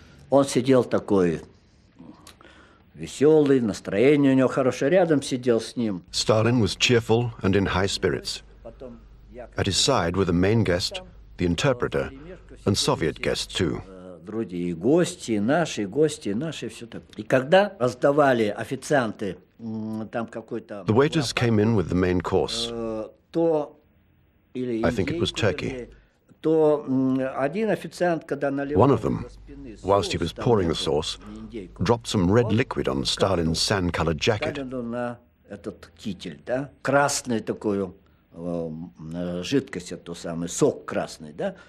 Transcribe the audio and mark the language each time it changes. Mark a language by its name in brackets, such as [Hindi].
[Russian] Он сидел такой веселый, настроение у него хорошее, рядом сидел с ним. [English] Stalin was cheerful and in high spirits. At his side were the main guest, the interpreter, and Soviet guests too. [Russian] И гости, и наши, и гости, и наши, и все так. И когда раздавали официанты там какой-то... [English] The waiters came in with the main course. [Russian] То... [English] I think it was turkey. [Russian] То один официант, когда наливал... [English] One of them, whilst he was pouring the sauce, dropped some red liquid on Stalin's sand-colored jacket. [Russian] На этот китель, да? Красную такую жидкость, это самый сок красный, да?